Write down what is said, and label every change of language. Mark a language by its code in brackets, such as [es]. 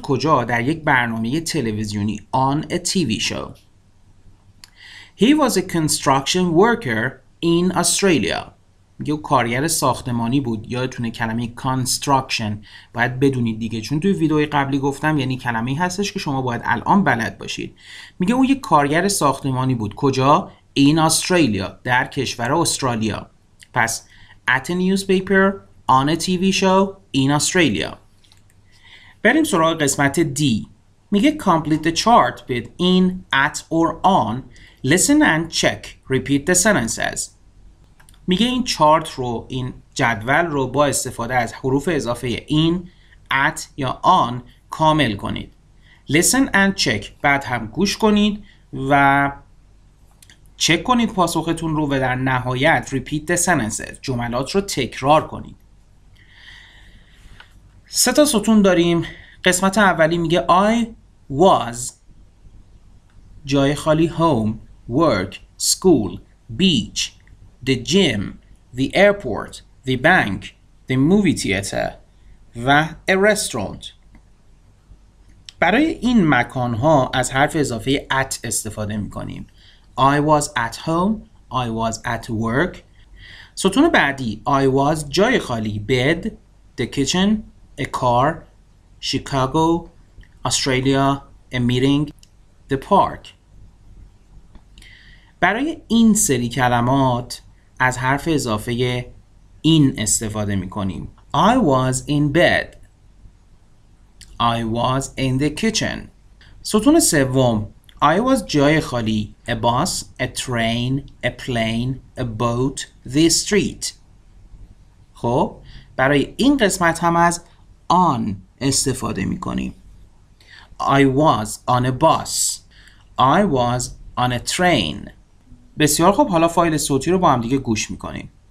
[fa] کجا؟ در یک برنامه تلویزیونی. [en] On a TV show. He was a construction worker in Australia. [fa] میگه او کارگر ساختمانی بود. یادتونه کلمه construction باید بدونید دیگه، چون توی ویدئوی قبلی گفتم یعنی کلمه‌ای هستش که شما باید الان بلد باشید. میگه او یک کارگر ساختمانی بود. کجا؟ [en] In Australia، [fa] در کشور استرالیا. [en] پس at a newspaper، on a TV show، in Australia. [fa] بریم سراغ قسمت D. [en] میگه complete the chart with in، at or on. Listen and check. Repeat the sentences. [fa] میگه این چارت رو، این جدول رو با استفاده از حروف اضافه این، at یا on کامل کنید. [en] Listen and check. [fa] بعد هم گوش کنید و چک کنید پاسختون رو و در نهایت [en] repeat the sentences. [fa] جملات رو تکرار کنید. سه تا ستون داریم. قسمت اولی میگه [en] I was [fa] جای خالی [en] home، work، school، beach، the gym، the airport، the bank، the movie theater و a restaurant. [fa] برای این مکان ها از حرف اضافه at استفاده می کنیم. [en] I was at home، I was at work. [fa] ستون بعدی [en] I was [fa] جای خالی [en] bed، the kitchen، a car، Chicago. Australia, a meeting, the park. [fa] برای این سری کلمات از حرف اضافه این استفاده می کنیم. [en] I was in bed. I was in the kitchen. [fa] ستون سوم. [en] I was [fa] جای خالی. [en] A bus, a train, a plane, a boat, the street. [fa] خب برای این قسمت هم از on استفاده می کنیم. [en] I was on a bus. I was on a train. [fa] بسیار خوب، حالا فایل صوتی رو با هم دیگه گوش میکنیم.